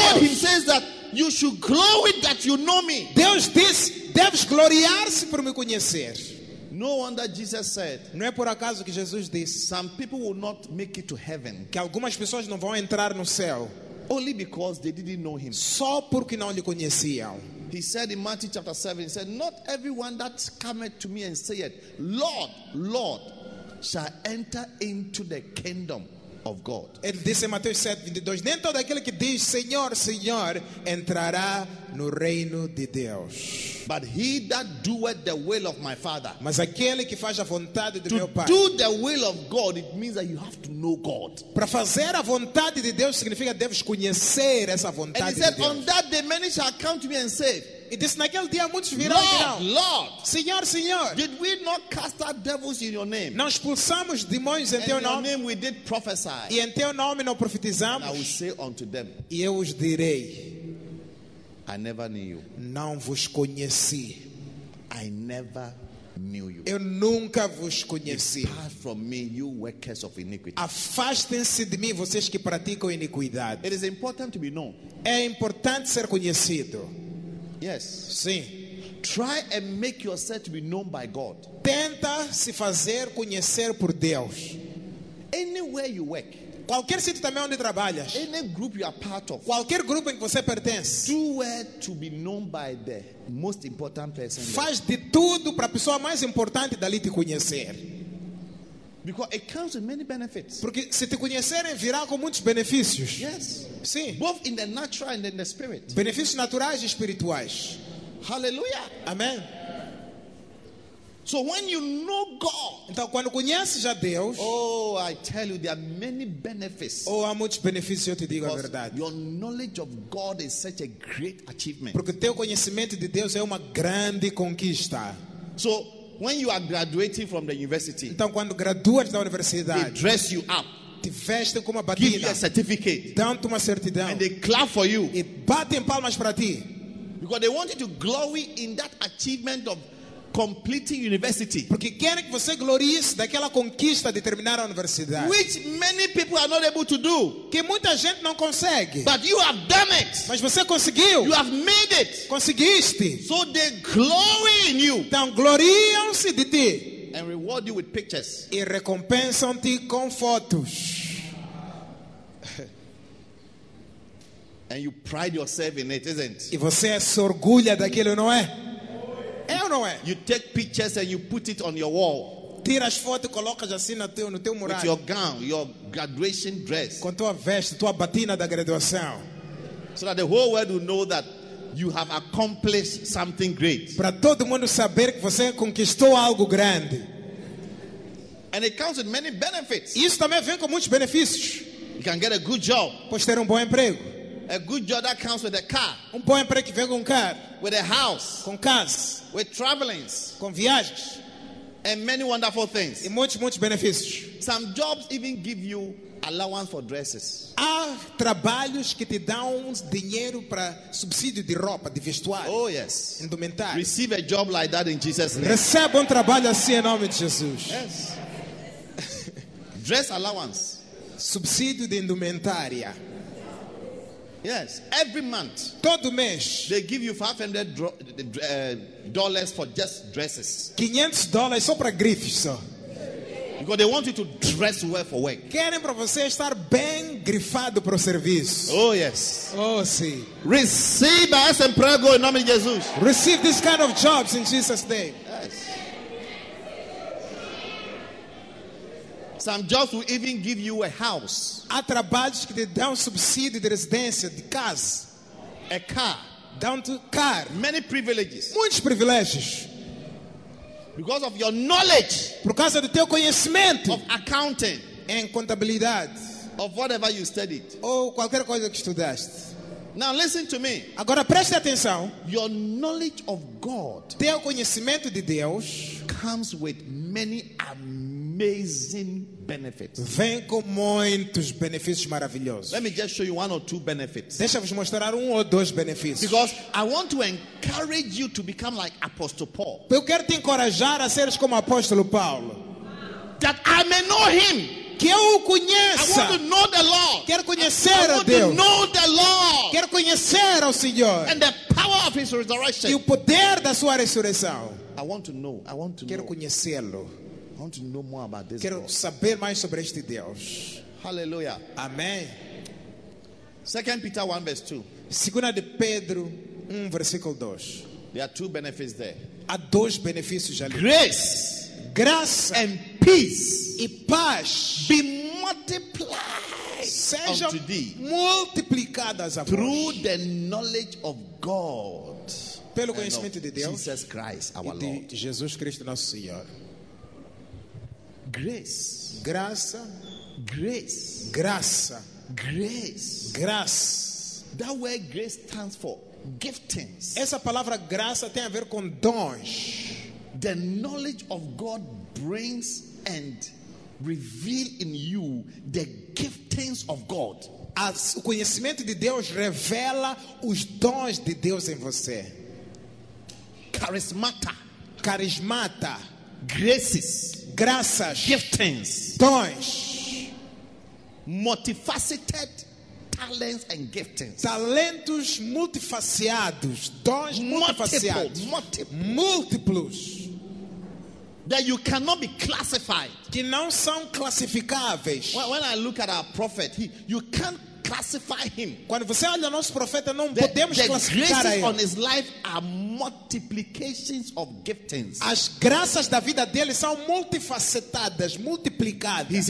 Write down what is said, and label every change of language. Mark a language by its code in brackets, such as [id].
[en] God himself that you should glory that you know me. [pt] Deus diz, deves gloriar-se por me conhecer. [en] No wonder Jesus said. [pt] Não é por acaso que Jesus disse, [en] some people will not make it to heaven. [pt] Que algumas pessoas não vão entrar no céu. [en] Only because they didn't know him. [pt] Só porque não lhe conheciam. [en] He said in Matthew chapter 7, he said, not everyone that cometh to me and saith, Lord, Lord, shall enter into the kingdom of God. [pt] Ele disse em Mateus 7:22, nem todo aquele que diz Senhor, Senhor, entrará no reino de Deus. [en] But he that doeth the will of my Father. [pt] Mas aquele que faz a vontade de [en] to [pt] meu Pai. [en] To do the will of God, it means that you have to know God. [pt] Para fazer a vontade de Deus significa deves conhecer essa vontade de Deus. [en] And he said, on that day many shall come to me and say, [pt] e disse, naquele dia muitos virão [en] Lord, Lord, [pt] Senhor, Senhor, [en] did we not cast out devils in your name? [pt] Não expulsamos demônios em [en] and [pt] teu nome? [en] In your name we did prophesy. [pt] E em teu nome não profetizamos? [en] And I will say unto them, [pt] e eu os direi, [en] I never knew you. [pt] Não vos conheci. [en] I never knew you. [pt] Eu nunca vos conheci. [en] Depart from me, you workers of iniquity. [pt] Afastem-se de mim, vocês que praticam iniquidade. [en] It is important to be known. [pt] É importante ser conhecido. [en] Yes. [pt] Sim. [en] Try and make yourself to be known by God. [pt] Tenta se fazer conhecer por Deus. [en] Anywhere you work. [pt] Qualquer sítio também onde trabalhas. [en] Any group you are part of. [pt] Qualquer grupo em que você pertence. [en] Do it to be known by the most important person. [pt] Faz de tudo para a pessoa mais importante dali te conhecer. [en] Because it comes with many benefits. [pt] Porque se te conhecerem virá com muitos benefícios. [en] Yes. [pt] Sim. [en] Both in the natural and in the spirit. [pt] Benefícios naturais e espirituais. [en] Hallelujah. [pt] Amém. [en] So when you know God, [pt] então quando conheces a Deus, [en] oh, I tell you, there are many benefits. [pt] Oh, há muitos benefícios, eu te digo a verdade. [en] Your knowledge of God is such a great achievement. [pt] Porque teu conhecimento de Deus é uma grande conquista. [en] So when you are graduating from the university, [pt] então quando gradua da universidade, [en] they dress you up, [pt] te veste com uma batina, [en] give you a certificate, [pt] dão-te uma certidão, [en] and they clap for you, [pt] e batem palmas para ti, [en] because they want you to glory in that achievement of completing university. [pt] Porque querem que você glorie-se daquela conquista de terminar a universidade, [en] which many people are not able to do, [pt] que muita gente não consegue. [en] But you have done it. [pt] Mas você conseguiu. [en] You have made it. [pt] Conseguiste. [en] So they glory in you. [pt] Então gloriam-se de ti. [en] And reward you with pictures. [pt] E recompensam-te com fotos. [en] And you pride yourself in it, isn't it? [pt] E você se orgulha daquilo, não é? É ou não é? [en] You take pictures and you put it on your wall. [pt] Tira as fotos e colocas assim no teu mural. [en] With your gown, your graduation dress. [pt] Com tua veste, tua batina da graduação. [en] So that the whole world will know that you have accomplished something great. [pt] Para todo mundo saber que você conquistou algo grande. [en] And it comes with many benefits. [pt] Isso também vem com muitos benefícios. [en] You can get a good job. [pt] Pode ter um bom emprego. [en] A good job that comes with a car. [pt] Um bom emprego que vem com um carro. [en] With a house. [pt] Com casa. [en] With travelings. [pt] Com viagens. [en] And many wonderful things. [pt] E muitos, muitos benefícios. [en] Some jobs even give you allowance for dresses. [pt] Há trabalhos que te dão uns dinheiro para subsídio de roupa, de vestuário. [en] Oh yes. [pt] Indumentário. [en] Receive a job like that in Jesus' name. [pt] Receba um trabalho assim em nome de Jesus. [en] Yes. Dress allowance. [pt] Subsídio de indumentária. [en] Yes, every month. [pt] Todo mês. [en] They give you $500 for just dresses. [pt] $500 só para grifes, só. [en] Because they want you to dress well for work. [pt] Querem para você estar bem grifado para o serviço. [en] Oh yes. [pt] Oh sim. [en] Receive as and pray go in the name of Jesus. Receive this kind of jobs in Jesus' name. Yes. Some jobs will even give you a house. [pt] Há trabalhos que te dão subsídio de residência, de casa. [en] A car. Down to car. Many privileges. [pt] Muitos privilégios. [en] Because of your knowledge. [pt] Por causa do teu conhecimento. [en] Of accounting. [pt] Em contabilidade. [en] Of whatever you studied. [pt] Ou qualquer coisa que estudaste. [en] Now listen to me. [pt] Agora preste atenção. [en] Your knowledge of God. [pt] Teu conhecimento de Deus. [en] Comes with many amazing benefits. [pt] Vem com muitos benefícios maravilhosos. [en] Let me just show you one or two benefits. [pt] Deixa-vos mostrar um ou dois benefícios. [en] Because I want to encourage you to become like Apostle Paul. [pt] Eu quero te encorajar a seres como Apóstolo Paulo. [en] That I may know him. [pt] Que eu o conheça. [en] I want to know the Lord. [pt] Quero conhecer [en] I want [pt] a Deus. [en] To know the Lord. [pt] Quero conhecer ao Senhor. [en] And the power of his resurrection. [pt] E o poder da sua ressurreição. [en] I want to know. I want to [pt] quero [en] know. [pt] Conhecê-lo. [en] I want to know more about this. [pt] Quero [en] God. [pt] Saber mais sobre este Deus. [en] Hallelujah. [pt] Amém. [en] 2 Peter 1 verse 2. [pt] Segunda de Pedro 1 versículo 2. [en] There are two benefits there. [pt] Há dois benefícios ali. [en] Grace. [pt] Graça. [en] And peace, [pt] e paz, [en] be multiplied, [pt] seja [en] unto thee, [pt] multiplicadas a [en] through [pt] vós, [en] the knowledge of God, [pt] pelo conhecimento de Deus, [en] Jesus Christ, our [pt] e de [en] Lord. [pt] Jesus Cristo nosso Senhor. [en] Grace, [pt] graça, [en] grace, [pt] graça, [en] grace, [pt] graça. [en] That word grace stands for giftings. [pt] Essa palavra graça tem a ver com dons. [en] The knowledge of God brings and reveals in you the giftings of God. [pt] O conhecimento de Deus revela os dons de Deus em você. [en] Charismata, [pt] charismata, [en] graces, [pt] graças, [en] giftings, [pt] dons, [en] multifaceted talents and giftings, [pt] talentos multifaciados, dons multifaciados, múltiplos, [en] that you cannot be classified, [pt] que não são classificáveis. [en] When I look at our prophet, you can't classify him. [pt] Quando você olha o nosso profeta, não podemos classificar ele. [en] On his life are multiplications of giftings. [pt] As graças da vida dele são multifacetadas, multiplicadas.